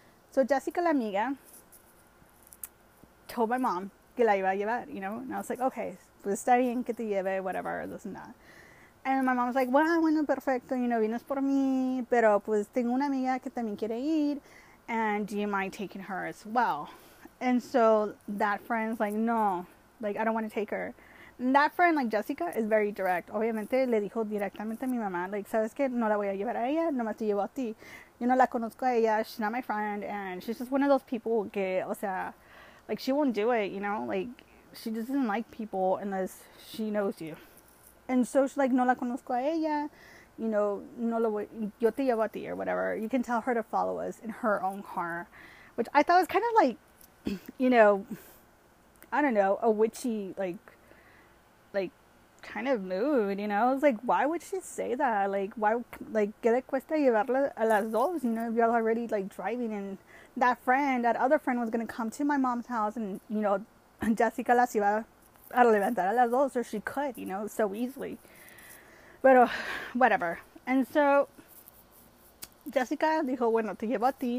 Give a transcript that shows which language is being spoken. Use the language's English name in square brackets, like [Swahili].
[English] So, Jessica [Spanish] la amiga [English] told my mom [Spanish] que la iba a llevar, [English] you know, and I was like, okay, [Spanish] pues está bien que te lleve, [English] whatever, this and that. And my mom was like, well, [Spanish] bueno, perfecto, [English] you know, [Spanish] vienes por mí, pero pues tengo una amiga que también quiere ir, [English] and do you mind taking her as well? And so that friend's like, no, like, I don't want to take her. And that friend, like, Jessica, is very direct. [Spanish] Obviamente, le dijo directamente a mi mamá, like, sabes que no la voy a llevar a ella, nomás te llevo a ti. Yo no la conozco a ella, [English] she's not my friend, and she's just one of those people [Spanish] que, o sea, [English] like, she won't do it, you know? Like, she doesn't like people unless she knows you. And so she's like, [Spanish] no la conozco a ella. [English] You know, [Spanish] no lo voy, yo te llevo a ti, [English] or whatever. You can tell her to follow us in her own car. Which I thought was kind of like, you know, I don't know, a witchy, like, kind of mood, you know? I was like, why would she say that? Like, why, like, [Spanish] ¿qué le cuesta llevarla a las dos? [English] You know, if you're already, like, driving and that friend, that other friend was going to come to my mom's house and, you know, Jessica [Spanish] las iba a levantar a las dos, [English] or she could, you know, so easily. But, whatever. And so, Jessica [Spanish] dijo, bueno, te llevo a ti.